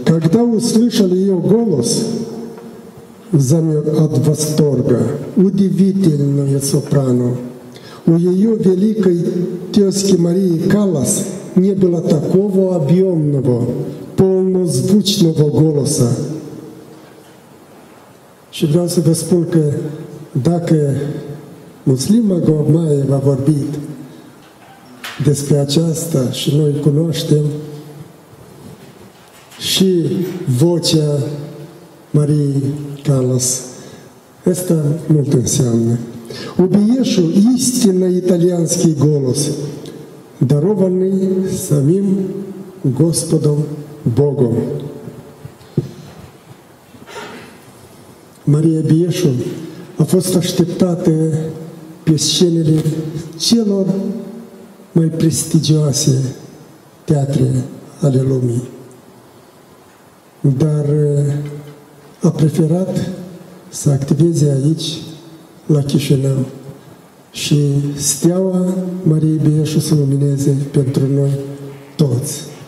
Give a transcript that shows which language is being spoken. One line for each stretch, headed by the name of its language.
Russian: Когда услышал ее голос, замер от восторга, удивительное сопрано. У ее великой тезки Марии Каллас не было такого объемного, полнозвучного голоса.
Romanian: Și vreau să vă spun că dacă Muslim Magomaya a vorbit despre aceasta și noi cunoaștem și vocea Mariei Callas, asta mult înseamnă.
Russian: У Бьешу истинно итальянский голос, дарованный самим Господом Богом.
Romanian: Maria Bieșu a fost așteptată pe scenele celor mai prestigioase teatre ale lumii, dar a preferat să activeze aici, la Chișinău, și steaua Mariei Bieșu să lumineze pentru noi toți.